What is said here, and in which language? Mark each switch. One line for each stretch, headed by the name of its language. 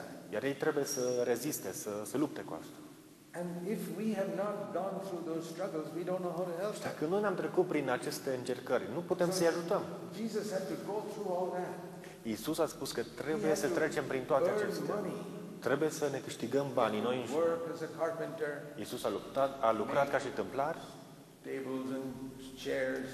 Romanian: Iar ei trebuie să reziste, să lupte cu asta.
English: And if we have not gone through those struggles, we don't know how to help.
Romanian: Dacă noi n-am trecut prin aceste încercări, nu putem să-i ajutăm.
English: Jesus had to go through all that.
Romanian: Iisus a spus că trebuie să trecem prin toate acestea. Trebuie să ne câștigăm banii noi înșine. Iisus a lucrat ca și tâmplar.
English: Tables and chairs.